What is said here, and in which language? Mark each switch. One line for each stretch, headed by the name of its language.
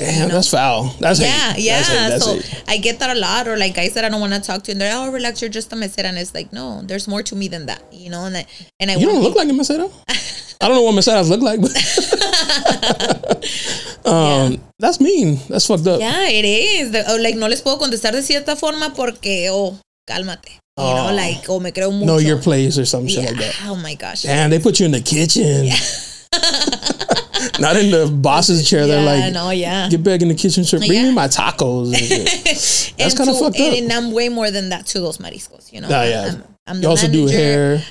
English: Damn, you know? That's foul. That's yeah, hate. Yeah. That's hate. I get that a lot. Or like guys that I don't want to talk to and they're like, oh, relax, you're just a mesera. And it's like, no, there's more to me than that, you know? And I you don't look like a mesera. I don't know what meseras look like, but yeah. That's mean. That's fucked up. Yeah, it is.
Spanish: No les puedo contestar de cierta forma porque, cálmate.
English: You know, like,
Spanish: me creo mucho.
English: Know your place or some shit like that. Oh my gosh. Damn, they put you in the kitchen. Yeah. Not in the boss's chair. Yeah, they're like, no, yeah. Get back in the kitchen. Bring me my tacos. That's kind of fucked up. And I'm way more than that to those mariscos, you know? Yeah. I'm the manager.